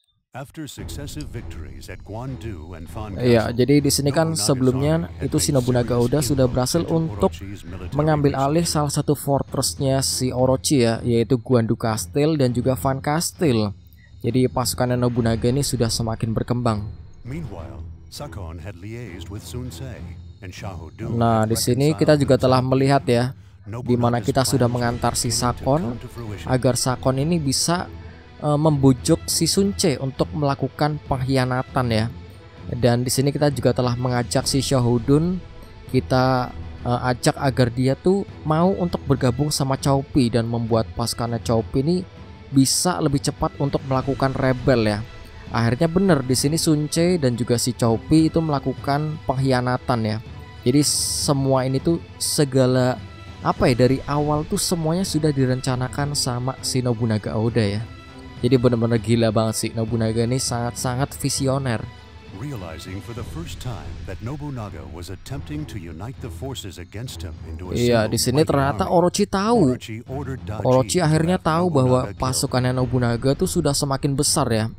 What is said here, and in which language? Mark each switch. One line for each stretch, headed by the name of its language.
English: After successive victories at Guandu and Fan.
Indonesian: Iya, jadi di sini kan sebelumnya itu si Nobunaga Oda sudah berhasil untuk mengambil alih salah satu fortress-nya si Orochi ya, yaitu Guandu Castle dan juga Fan Castle. Jadi pasukan Nobunaga ini sudah semakin berkembang.
English: Meanwhile, Sakon had liaised with Sun Tse.
Indonesian: Nah, di sini kita juga telah melihat ya, dimana kita sudah mengantar si Sakon agar Sakon ini bisa membujuk si Sun Tse untuk melakukan pengkhianatan ya. Dan di sini kita juga telah mengajak si Shahudun, kita ajak agar dia tuh mau untuk bergabung sama Chaupi dan membuat pasukan Chaupi ini bisa lebih cepat untuk melakukan rebel ya. Akhirnya benar di sini Sun Tse dan juga si Chaupi itu melakukan pengkhianatan ya. Jadi semua ini tuh segala apa ya, dari awal tuh semuanya sudah direncanakan sama si Nobunaga Oda ya. Jadi benar-benar gila banget sih Nobunaga ini, sangat-sangat visioner.
English: Realizing for the first time that Nobunaga was attempting to unite the forces against him into a single.
Indonesian: Iya, di sini ternyata Orochi tahu. Orochi akhirnya tahu bahwa pasukannya Nobunaga tuh sudah semakin besar ya.